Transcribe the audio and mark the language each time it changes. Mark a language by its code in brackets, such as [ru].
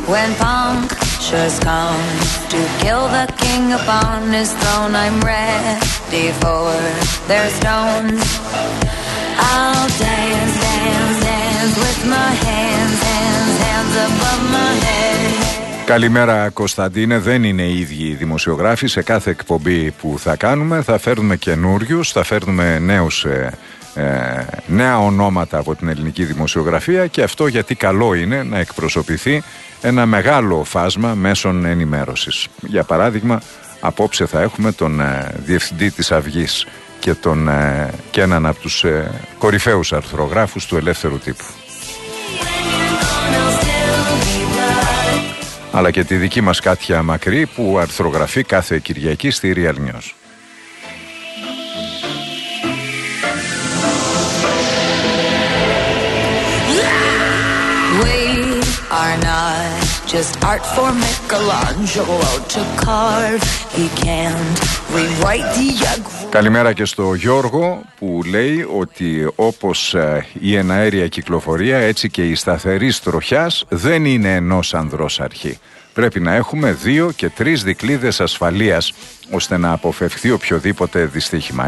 [en] When punctures come to kill the king upon his throne, I'm ready for their stones. I'll dance, dance, dance with my hands, hands, hands above my head. [el] Καλημέρα Κωνσταντίνε, δεν είναι οι ίδιοι οι δημοσιογράφοι. Σε κάθε εκπομπή που θα κάνουμε θα φέρνουμε καινούριους, θα φέρνουμε νέους, νέα ονόματα από την ελληνική δημοσιογραφία, και αυτό γιατί καλό είναι να εκπροσωπηθεί ένα μεγάλο φάσμα μέσων ενημέρωσης. Για παράδειγμα, απόψε θα έχουμε τον Διευθυντή της Αυγής και, και έναν από τους κορυφαίους αρθρογράφους του Ελεύθερου Τύπου. Αλλά και τη δική μας Κάτια Μακρύ, που αρθρογραφεί κάθε Κυριακή στη Real News. [en] We are not just art for Michelangelo to carve. He can't rewrite the egg. [el] Καλημέρα και στο Γιώργο που λέει ότι όπως η εναέρια κυκλοφορία, έτσι και η σταθερή τροχιάς δεν είναι ενός ανδρός αρχή. Πρέπει να έχουμε δύο και τρεις δικλείδες ασφαλείας ώστε να αποφευθεί οποιοδήποτε δυστύχημα.